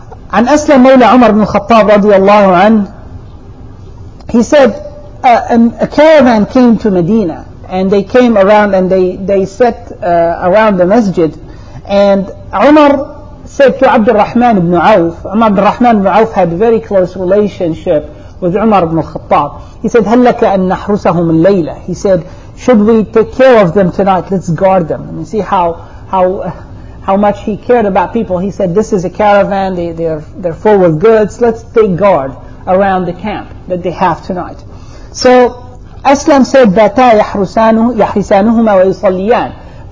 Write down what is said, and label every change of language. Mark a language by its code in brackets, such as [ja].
[en] An Aslam Mawla Umar ibn Khattab radiallahu anhu, he said, a caravan came to Medina, and they came around and they sat around the masjid, and Umar said to Abdurrahman ibn Auf, Umar ibn Rahman ibn Auf had a very close relationship with Umar ibn Khattab. He said, [ar] هَلَّكَ أَن نَحْرُسَهُمُ اللَّيْلَةِ. [en] He said, should we take care of them tonight? Let's guard them. And you see how much he cared about people. He said, this is a caravan. They're full of goods. Let's take guard around the camp that they have tonight. So Aslam said, [ar] بَاتَا يَحْرِسَانُهُمَا وَيُصَلِّيَانِ.